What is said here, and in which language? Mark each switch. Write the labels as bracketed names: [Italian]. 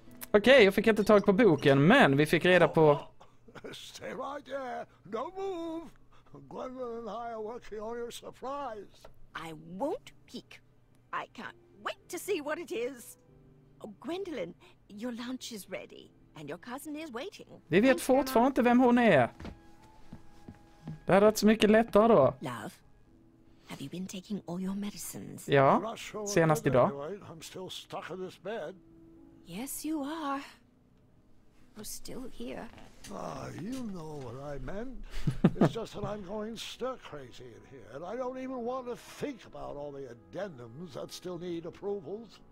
[Swedish] Okej, jag fick inte tag på boken, men vi fick reda på... [English] Stay right there. Don't move. Gwendolyn and I are working on your surprise. I won't peek. I can't wait to see what it is. Oh, Gwendolyn, your lunch is ready. And your cousin is waiting. [Swedish] Vi vet fortfarande inte vem hon är. Det hade varit så mycket lättare då. [English] Love, have you been taking all your medicines? [Swedish] Ja, senast idag. [English] I'm still stuck in this bed. Yes, you are. We're still here. Ah, you know what I meant. It's just that I'm going stir crazy in here, and I don't even want to think about all the addendums that still need approvals.